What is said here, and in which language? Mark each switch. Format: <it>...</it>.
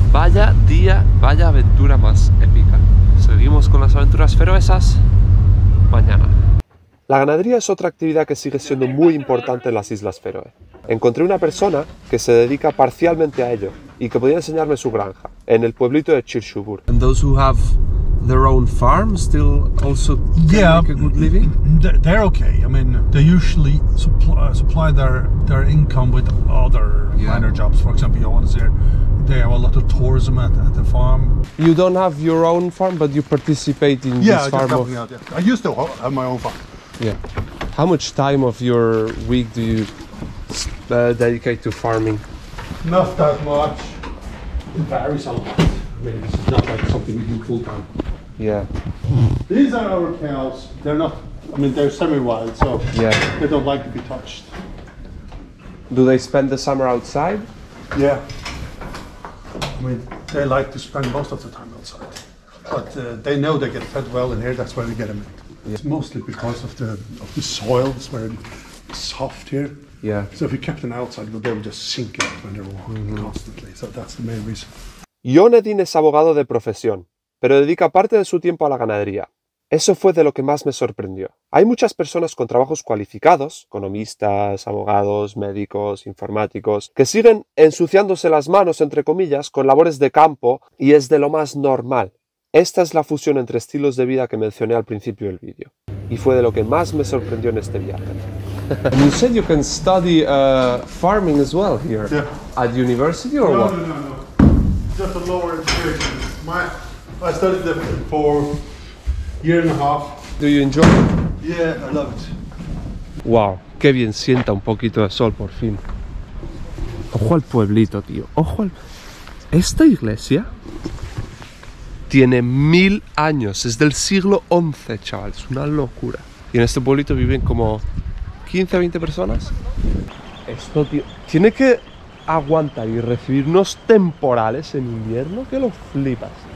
<es>Vaya día, vaya aventura más épica. Seguimos con las aventuras feroesas mañana. La ganadería es otra actividad que sigue siendo muy importante en las Islas Feroe. Encontré una persona que se dedica parcialmente a ello y que podía enseñarme su granja en el pueblito de Chirshubur.</es> <en>And those who have their own farm still also make a good living. They're okay. I mean, they usually supply their income with other minor jobs. For example, Johannes here, they have a lot of tourism at the farm. You don't have your own farm, but you participate in this farm. Yeah, I used to have my own farm. Yeah. How much time of your week do you dedicate to farming? Not that much. It varies a lot. I mean, this is not like something we do full time. Yeah. These are our cows. They're not, I mean, they're semi-wild, so yeah, they don't like to be touched. Do they spend the summer outside? Yeah. I mean, they like to spend most of the time outside. But they know they get fed well in here, that's where they get them in. Yeah. It's mostly because of the soil, it's very soft here. Yeah. So if you kept them outside, they would just sink in when they're walking constantly. So that's the main reason.</en> <es>John Edin es abogado de profesión, pero dedica parte de su tiempo a la ganadería. Eso fue de lo que más me sorprendió. Hay muchas personas con trabajos cualificados, economistas, abogados, médicos, informáticos, que siguen ensuciándose las manos, entre comillas, con labores de campo, y es de lo más normal. Esta es la fusión entre estilos de vida que mencioné al principio del vídeo. Y fue de lo que más me sorprendió en este viaje.</es> <en>You said you can study farming as well here. Yeah. At university or no, what? No, no, no. Just a lower education. My I studied there for a year and a half. Do you enjoy it? Yeah, I love it.</en> <es>Wow, qué bien sienta un poquito de sol por fin. Ojo al pueblito, tío. Ojo al... Esta iglesia tiene 1000 años. Es del siglo XI, chaval. Es una locura. Y en este pueblito viven como 15 o 20 personas. Esto, tío, tiene que aguantar y recibir unos temporales en invierno que lo flipas.</es>